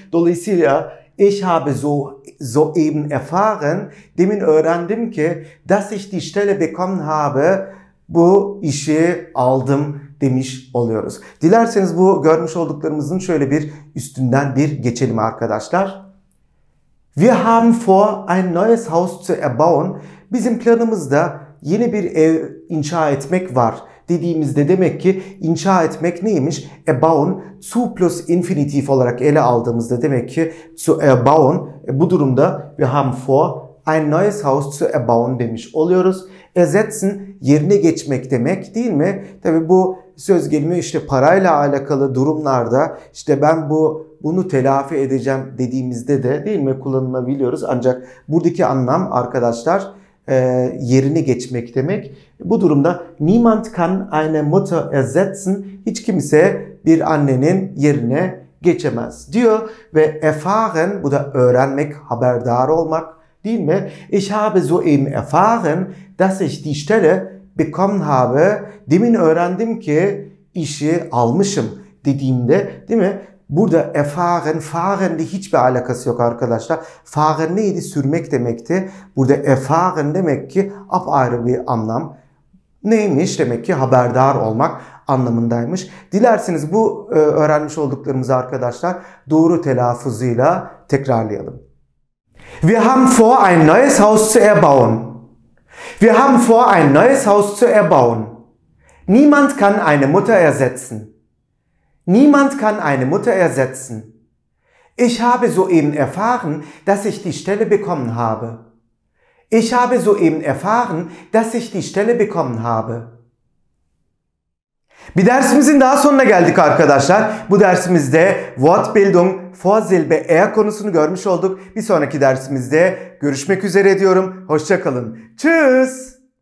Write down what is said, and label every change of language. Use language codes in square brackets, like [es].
[tr] Dolayısıyla [de] ich habe so eben erfahren, [tr] demin öğrendim ki, [de] dass ich die Stelle bekommen habe, [tr] bu işi aldım demiş oluyoruz. Dilerseniz bu görmüş olduklarımızın şöyle bir üstünden bir geçelim arkadaşlar. [de] Wir haben vor, ein neues Haus zu erbauen. [tr] Bizim planımızda yeni bir ev inşa etmek var dediğimizde demek ki inşa etmek neymiş? Erbauen, zu plus infinitif olarak ele aldığımızda demek ki zu erbauen. Bu durumda [de] wir haben vor, ein neues Haus zu erbauen [tr] demiş oluyoruz. Ersetzen, yerine geçmek demek değil mi? Tabii bu söz gelimi işte parayla alakalı durumlarda işte ben bunu telafi edeceğim dediğimizde de değil mi kullanılabiliyoruz. Ancak buradaki anlam arkadaşlar yerine geçmek demek. Bu durumda [de] niemand kann eine Mutter ersetzen, [tr] hiç kimse bir annenin yerine geçemez diyor. Ve erfahren, bu da öğrenmek, haberdar olmak. Değil mi? [de] Ich habe soeben erfahren, dass ich die Stelle bekommen habe. [tr] Demin öğrendim ki işi almışım dediğimde, değil mi? Burada erfahren, fahren'le hiçbir alakası yok arkadaşlar. Fahren neydi? Sürmek demekti. Burada erfahren demek ki apayrı bir anlam. Neymiş? Demek ki haberdar olmak anlamındaymış. Dilerseniz bu öğrenmiş olduklarımızı arkadaşlar doğru telaffuzuyla tekrarlayalım. [de] Wir haben vor, ein neues Haus zu erbauen. Wir haben vor, ein neues Haus zu erbauen. Niemand kann eine Mutter ersetzen. Niemand kann eine Mutter ersetzen. Ich habe soeben erfahren, dass ich die Stelle bekommen habe. Ich habe soeben erfahren, dass ich die Stelle bekommen habe. [tr] Bir dersimizin daha sonuna geldik arkadaşlar. Bu dersimizde Wortbildung, Vorsilbe, er konusunu görmüş olduk. Bir sonraki dersimizde görüşmek üzere diyorum. Hoşça kalın. Tschüss.